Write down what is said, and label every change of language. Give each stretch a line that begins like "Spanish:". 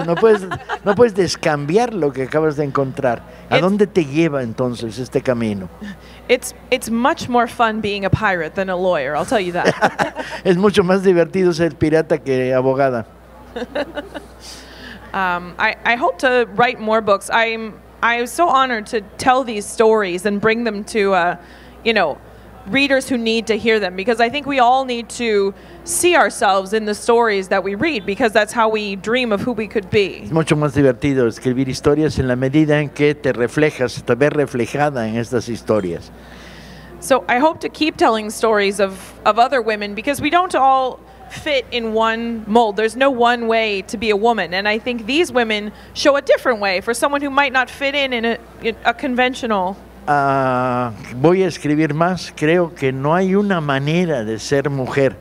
Spanish: No puedes descambiar lo que acabas de encontrar. ¿A dónde te lleva entonces este camino?
English: It's much more fun being a pirate than a lawyer. I'll tell you that.
Spanish: Es mucho más divertido ser pirata que abogada.
English: I hope to write more books. I'm so honored to tell these stories and bring them to, you know, readers who need to hear them, because I think we all need to see ourselves in the stories that we read, because that's how we dream of who we could be.
Spanish: Es mucho más divertido escribir historias en la medida en que te reflejas, te ves reflejada en estas historias.
English: So I hope to keep telling stories of other women, because we don't all fit in one mold. There's no one way to be a woman. And I think these women show a different way for someone who might not fit in a conventional.
Spanish: Voy a escribir más. Creo que no hay una manera de ser mujer.